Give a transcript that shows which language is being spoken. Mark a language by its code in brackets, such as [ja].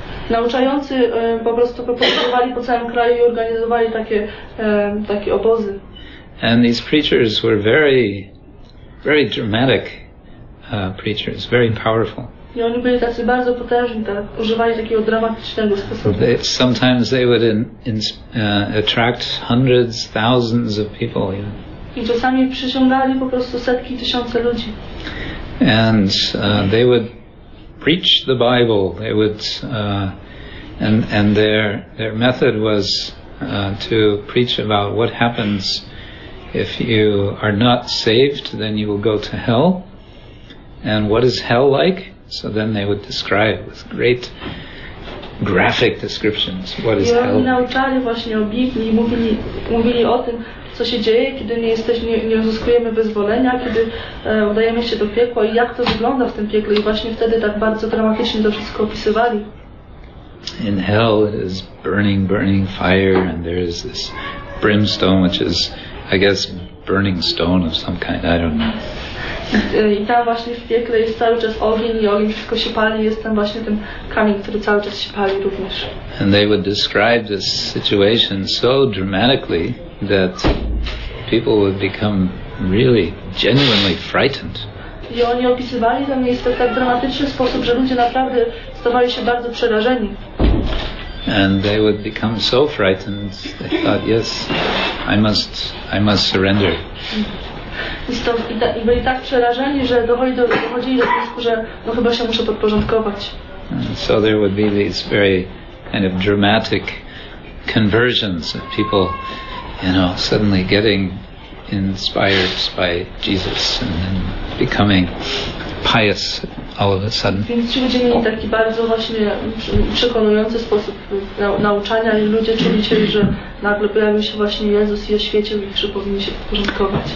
[pl] Nauczający po prostu popędzali po całym kraju i organizowali takie obozy. [en] And these preachers were very, very dramatic preachers, very powerful. [pl] I oni byli tacy bardzo potężni, tak, używali takiego dramatycznego sposobu. [en] Sometimes they would attract hundreds, thousands of people. Yeah. [pl] I czasami przyciągali po prostu setki, tysiące ludzi. [en] And they would preach the Bible. They would, and their method was to preach about what happens if you are not saved, then you will go to hell. And what is hell like? So then they would describe with great graphic descriptions what is hell. [pl] I oni nauczali właśnie o Biblii, mówili o tym, co się dzieje, kiedy nie uzyskujemy wyzwolenia, kiedy udajemy się do piekła i jak to wygląda w tym piekle. I właśnie wtedy tak bardzo dramatycznie to wszystko opisywali. [en] In hell it is burning, burning fire, and there is this brimstone, which is, I guess, burning stone of some kind, I don't know. [pl] I tam właśnie w piekle jest cały czas ogień i ogień wszystko się pali, jest tam właśnie ten kamień, który cały czas się pali również. [en] And they would describe this situation so dramatically that people would become really genuinely frightened. [pl] I oni opisywali to miejsce w tak dramatyczny sposób, że ludzie naprawdę stawali się bardzo przerażeni. [en] And they would become so frightened, they thought, yes, I must surrender. [pl] I byli tak przerażeni, że dochodzili do wniosku, że no chyba się muszę podporządkować. [en] And so there would be these very kind of dramatic conversions of people, you know, suddenly getting inspired by Jesus and then becoming pious all of a sudden. [pl] Więc ci ludzie mieli taki bardzo właśnie przekonujący sposób nauczania i ludzie czuli się, że nagle pojawił się właśnie Jezus i oświecił ich, że powinni się podporządkować.